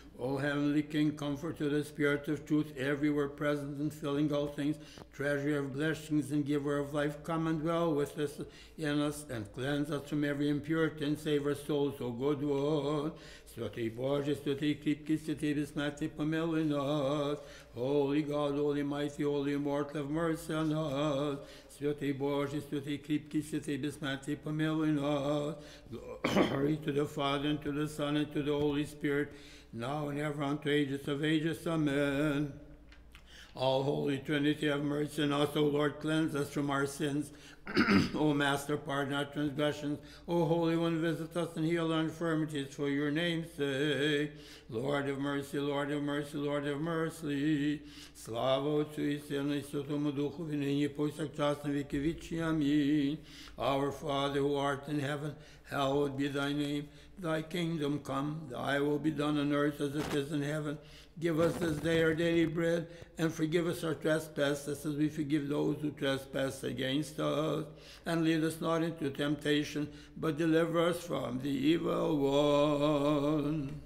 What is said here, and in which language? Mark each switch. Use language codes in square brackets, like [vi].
[en] O Heavenly King, comfort to the Spirit of Truth, everywhere present and filling all things, treasury of blessings and giver of life, come and dwell with us in us and cleanse us from every impurity and save our souls, O good one. [uk] Святий Боже, Святий Кріпкий, Святий Безсмертний, помилуй нас. [en] Holy God, Holy Mighty, Holy Immortal, have mercy on us. [uk] Святий Боже, Святий Кріпкий, Святий Безсмертний, помилуй нас. [en] Glory to the Father, and to the Son, and to the Holy Spirit, now and ever, unto ages of ages. Amen. All Holy Trinity, have mercy on us, O Lord, cleanse us from our sins. O Master, pardon our transgressions. O Holy One, visit us and heal our infirmities for your name's sake. Lord of mercy, Lord of mercy, Lord of mercy. [uk] Слава Отцу і Сину, і Святому Духу, і нині, поїсть, як час, на віки вічні. Амінь. [en] Our Father, who art in heaven, hallowed be thy name. Thy kingdom come, thy will be done on earth as it is in heaven. Give us this day our daily bread, and forgive us our trespasses as we forgive those who trespass against us. And lead us not into temptation, but deliver us from the evil one.